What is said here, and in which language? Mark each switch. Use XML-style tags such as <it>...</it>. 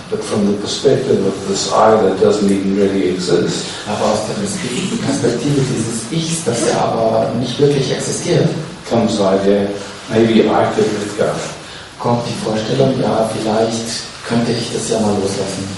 <en>But from the perspective of this I that doesn't even really exist.</en> <de>Aber aus der Perspektive dieses Ichs, das ja aber nicht wirklich existiert,</de> <en>comes the idea. Maybe I could let go.</en> <de>kommt die Vorstellung, ja, vielleicht könnte ich das ja mal loslassen.</de>